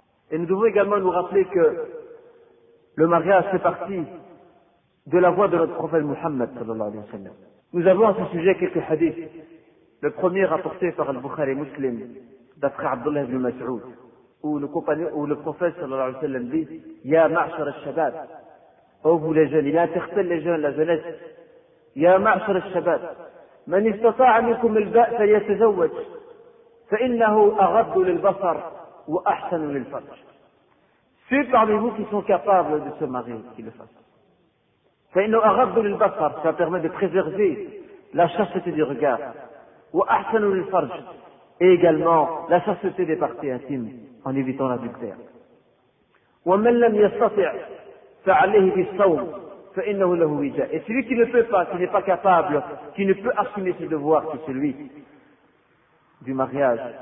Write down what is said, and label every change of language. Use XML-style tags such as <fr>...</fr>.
<fr>Et nous devons également nous rappeler que le mariage fait partie de la voie de notre prophète Mohammed sallallahu alayhi wa sallam. Nous avons à ce sujet quelques hadiths. Le premier rapporté par Al-Bukhari Muslim d'après Abdullah ibn Mas'ud, où le prophète sallallahu alayhi wa sallam dit « Ya ma'ashar al-shabab » Oh vous les jeunes, il interpelle les jeunes, la jeunesse.</fr> <ar>« Ya ma'ashar al-shabab » من استطاع منكم الباء فليتزوج فإنه أغض للبصر وأحسن للفرج.</ar> <fr>Ceux parmi vous qui sont capables de se marier, qu'ils le fassent. فإنه أغض للبصر, ça permet de préserver la chasteté du regard. وأحسن للفرج, et également la chasteté des parties intimes en évitant l'adultère.</fr> <ar>ومن لم يستطع فعليه بالصوم.</ar> <fr>Et celui qui ne peut pas, qui n'est pas capable, qui ne peut assumer ses devoirs, c'est celui du mariage.</fr>